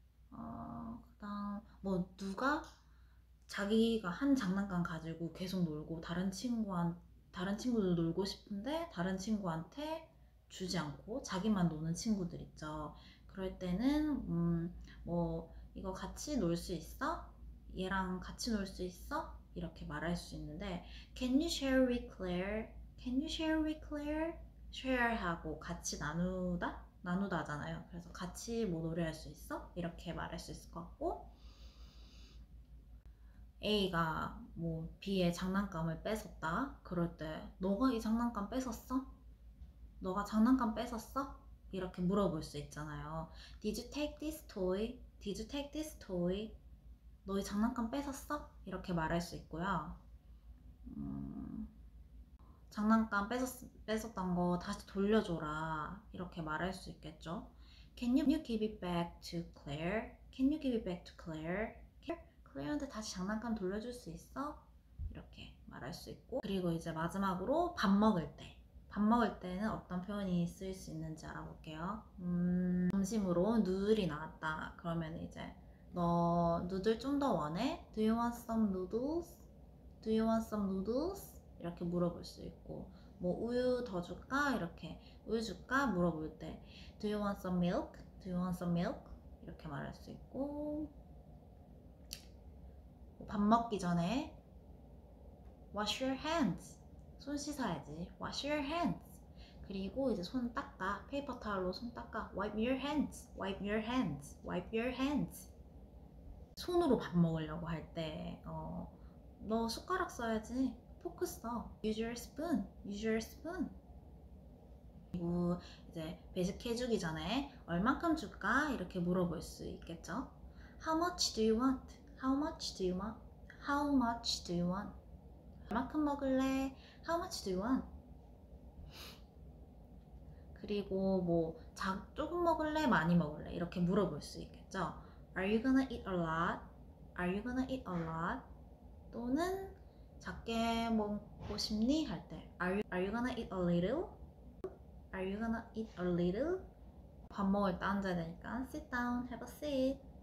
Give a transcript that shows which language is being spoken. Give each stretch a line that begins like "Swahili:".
Korean: 그다음 뭐 누가 자기가 한 장난감 가지고 계속 놀고 다른 친구들 놀고 싶은데 다른 친구한테 주지 않고 자기만 노는 친구들 있죠. 그럴 때는 뭐 이거 같이 놀수 있어? 얘랑 같이 놀수 있어? 이렇게 말할 수 있는데,
English: Can you share with Claire? Can you share with Claire?
Korean: Share 하고 같이 나누다? 나누다잖아요. 그래서 같이 뭐 노래할 수 있어? 이렇게 말할 수 있을 것 같고, A가 뭐 B의 장난감을 뺏었다? 그럴 때, 너가 이 장난감 뺏었어? 너가 장난감 뺏었어? 이렇게 물어볼 수 있잖아요.
English: Did you take this toy? Did you take this toy?
Korean: 너희 장난감 뺏었어? 이렇게 말할 수 있고요. 장난감 뺏었던 거 다시 돌려줘라. 이렇게 말할 수 있겠죠.
English: Can you give it back to Claire? Can you give it back to Claire?
Korean: Claire한테 다시 장난감 돌려줄 수 있어? 이렇게 말할 수 있고. 그리고 이제 마지막으로 밥 먹을 때. 밥 먹을 때는 어떤 표현이 쓰일 수 있는지 알아볼게요. 점심으로 누들이 나왔다. 그러면 이제 너 누들 좀더 원해?
English: Do you want some noodles? Do you want some noodles?
Korean: 이렇게 물어볼 수 있고, 뭐 우유 더 줄까? 이렇게 우유 줄까? 물어볼 때
English: Do you want some milk? Do you want some milk?
Korean: 이렇게 말할 수 있고, 밥 먹기 전에
English: Wash your hands.
Korean: 손 씻어야지.
English: Wash your hands.
Korean: 그리고 이제 손 닦아. 페이퍼 타월로 손 닦아.
English: Wipe your hands. Wipe your hands. Wipe your hands.
Korean: 손으로 밥 먹으려고 할 때, 너 숟가락 써야지. 포크 써.
English: Use your spoon. Use your spoon.
Korean: 그리고 이제 배식 해주기 전에 얼만큼 줄까? 이렇게 물어볼 수 있겠죠?
English: How much do you want? How much do you want? How much do you want?
Korean: 얼만큼 먹을래?
English: How much do you want?
Korean: 그리고 뭐, 조금 먹을래? 많이 먹을래? 이렇게 물어볼 수 있겠죠?
English: Are you gonna eat a lot? Are you gonna eat a lot?
Korean: 또는 작게 먹고 싶니? 할 때,
English: Are you gonna eat a little? Are you gonna eat a little?
Korean: 밥 먹을 때 앉아야 되니까
English: sit down, have a seat.